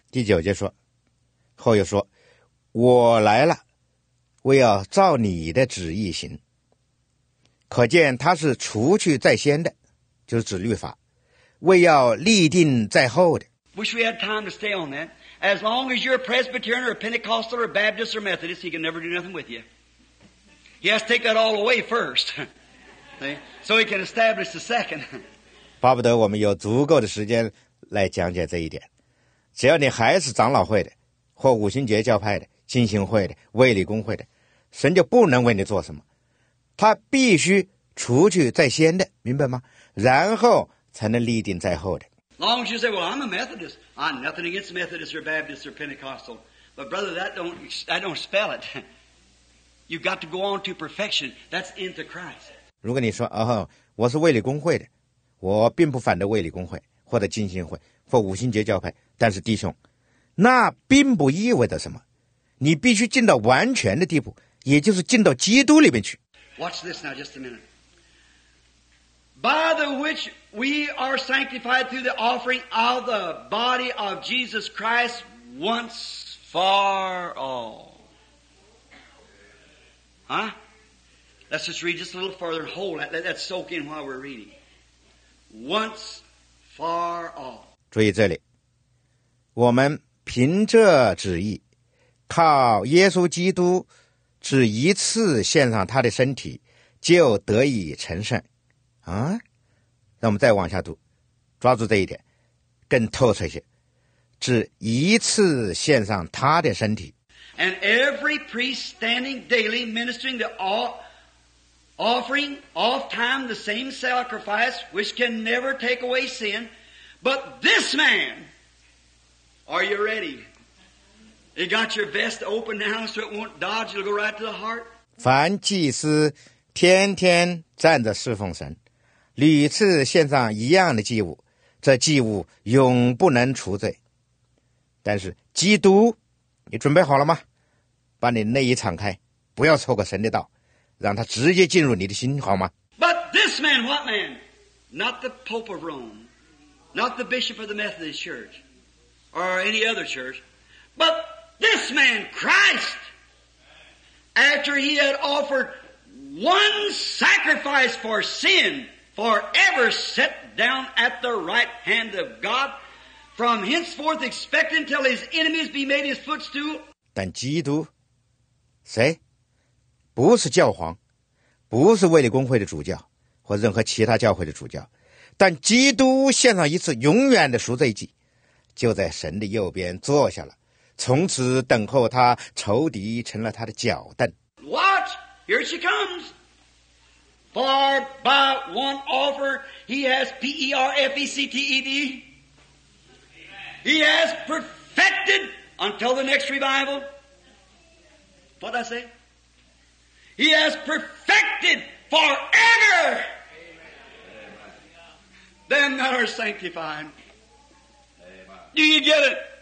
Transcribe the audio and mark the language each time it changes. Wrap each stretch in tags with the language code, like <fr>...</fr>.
<zh>第九节说，后又说，我来了，我要照你的旨意行。可见他是除去在先的。就是指律法，为要立定在后的。</zh> <en>Wish we had time to stay on that. As long as you're a Presbyterian or a Pentecostal or a Baptist or Methodist, he can never do nothing with you. He has to take that all away first, so he can establish the second.</en> <zh>巴不得我们有足够的时间来讲解这一点。只要你还是长老会的，或五旬节教派的、浸信会的、卫理公会的，神就不能为你做什么。他必须除去在先的，明白吗？然后才能立定在后的。</zh> <en>Long as you say, "Well, I'm a Methodist. I'm nothing against Methodists or Baptists or Pentecostal," but brother, that don't spell it. You've got to go on to perfection. That's into Christ.</en> <zh>如果你说，哦，我是卫理公会的，我并不反对卫理公会或者浸信会或五旬节教派，但是弟兄，那并不意味着什么。你必须进到完全的地步，也就是进到基督里面去。</zh> <en>Watch this now, just a minute. By the which we are sanctified through the offering of the body of Jesus Christ once for all. Huh? Let's just read just a little further and hold that. Let that soak in while we're reading. Once far off.</en> <zh>注意这里，我们凭着旨意，靠耶稣基督，只一次献上他的身体，就得以成圣。啊，那我们再往下读，抓住这一点，更透彻些。只一次献上他的身体。</zh> <en>And every priest standing daily ministering the offering oft time the same sacrifice which can never take away sin. But this man, are you ready? You got your vest open now so it won't dodge, it'll go right to the heart.</en> <zh>凡祭司天天站着侍奉神，屡次献上一样的祭物，这祭物永不能除罪。但是基督，你准备好了吗？把你内衣敞开，不要错过神的道，让他直接进入你的心，好吗？</zh> <en>But this man, what man? Not the Pope of Rome, not the Bishop of the Methodist Church, or any other church, but this man, Christ, after he had offered one sacrifice for sin, forever set down at the right hand of God, from henceforth expect until his enemies be made his footstool.</en> <zh>但基督谁？不是教皇，不是卫理公会的主教，或任何其他教会的主教，但基督献上一次永远的赎罪祭，就在神的右边坐下了，从此等候他，仇敌成了他的脚凳。</zh> <en>Watch, here she comes. For by one offer he has perfected. He has perfected until the next revival. What did I say? He has perfected forever them that are sanctified. Do you get it?</en>